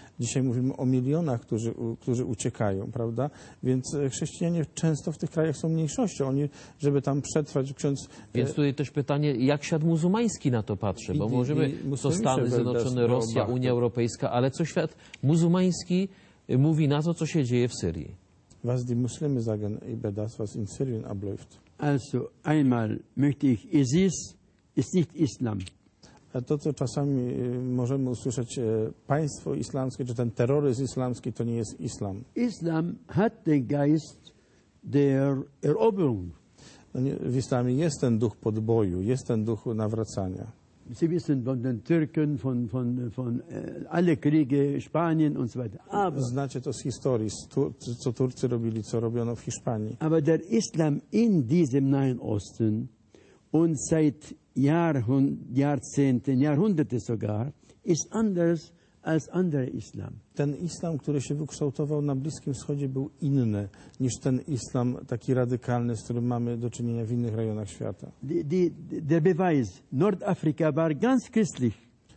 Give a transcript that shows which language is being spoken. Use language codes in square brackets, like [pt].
[pl] Dzisiaj mówimy o milionach, którzy uciekają, prawda? Więc chrześcijanie często w tych krajach są mniejszością. Oni, żeby tam przetrwać, ksiądz... Więc tutaj też pytanie, jak świat muzułmański na to patrzy? Bo możemy, to Stany Zjednoczone, Rosja, Unia Europejska, ale co świat muzułmański mówi na to, co się dzieje w Syrii? [de] Was die Muslime sagen über das, was in Syrien abläuft. Also einmal möchte ich, ISIS ist nicht Islam. [pl] A to, co czasami możemy usłyszeć, państwo islamskie, czy ten terroryzm islamski, to nie jest islam. [de] Islam hat den Geist der Eroberung. [pl] No nie, w islamie jest ten duch podboju, jest ten duch nawracania. [de] Sie wissen von den Türken, von alle Kriege, Spanien und so weiter. [pl] Aber, znacie to z historii, co Turcy robili, co robiono w Hiszpanii. [de] Aber der Islam in diesem Nahen Osten und seit Jahrzehnten, Jahrhunderte sogar, ist anders als andere Islam. [pl] Ten Islam, który się wykształtował na Bliskim Wschodzie, był inny niż ten Islam taki radykalny, z którym mamy do czynienia w innych rejonach świata. [de] Der Beweis, Nordafrika war ganz christlich.